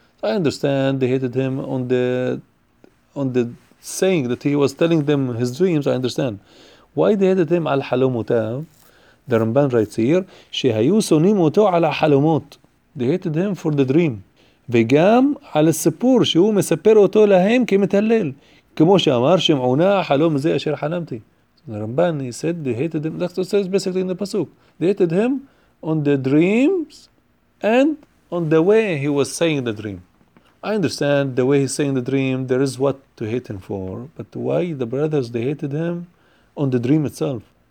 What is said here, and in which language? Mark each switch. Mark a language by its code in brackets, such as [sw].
[en] So I understand they hated him on the saying that he was telling them his dreams. I understand why they hated him al halomuta. The Ramban writes here, [he] "Shehayu sonim oto al halomot," [en] they hated him for the dream. [he] "Ve'gam al sepur shehu meseper oto lahem kimetalel." כמו שאמר שמעונה החלום זה אשר חלמתי. [en] רמבן, he said, they hated him. That's what it says basically in the Pasuk. They hated him on the dreams and on the way he was saying the dream. I understand the way he's saying the dream, there is what to hate him for. But why the brothers, they hated him on the dream itself?